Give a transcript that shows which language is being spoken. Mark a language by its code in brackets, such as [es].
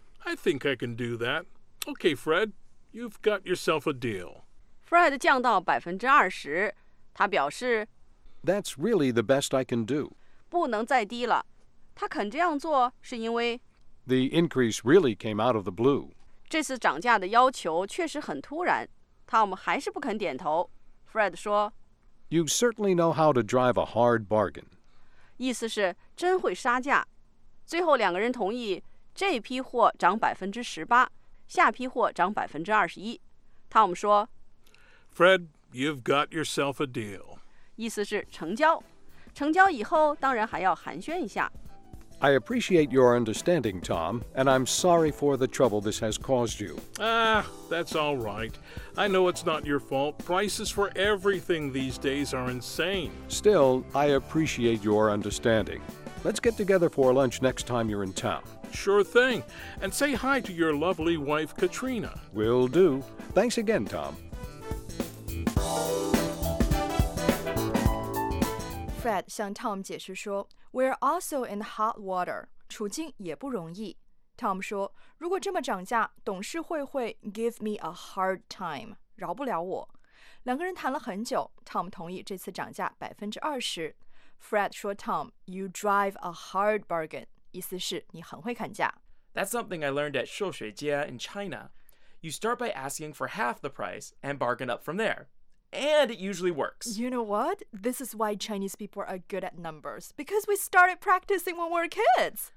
[en] I think I can do that. Okay, Fred, you've got yourself a deal. [zh] Fred 降到 20%, 他表示 [en] That's really the best I can do. [zh] 不能再低了。他肯这样做是因为 [en] The increase really came out of the blue. [zh] 这次涨价的要求确实很突然。 Tom 还是不肯点头。Fred 说 [en] You certainly know how to drive a hard bargain. [zh] 意思是真会杀价。最后两个人同意这批货涨 18%, 下批货涨 21%。 Tom 说 [en] Fred, you've got yourself a deal. [zh] 意思是成交。成交以后当然还要寒暄一下。 [en] I appreciate your understanding, Tom, and I'm sorry for the trouble this has caused you. Ah, that's all right. I know it's not your fault. Prices for everything these days are insane. Still, I appreciate your understanding. Let's get together for lunch next time you're in town. Sure thing. And say hi to your lovely wife, Katrina. Will do. Thanks again, Tom. [zh] Fred 向 Tom 解释说 [en] We're also in hot water. [zh] 处境也不容易。Tom 说如果这么涨价董事会会 [en] give me a hard time, [zh] 饶不了我。两个人谈了很久 Tom 同意这次涨价 20%。 Fred 说 [en] Tom, you drive a hard bargain, [zh] 意思是你很会砍价。 [en] That's something I learned at 寿雪街 in China. You start by asking for half the price and bargain up from there. And it usually works. You know what? This is why Chinese people are good at numbers. Because we started practicing when we were kids.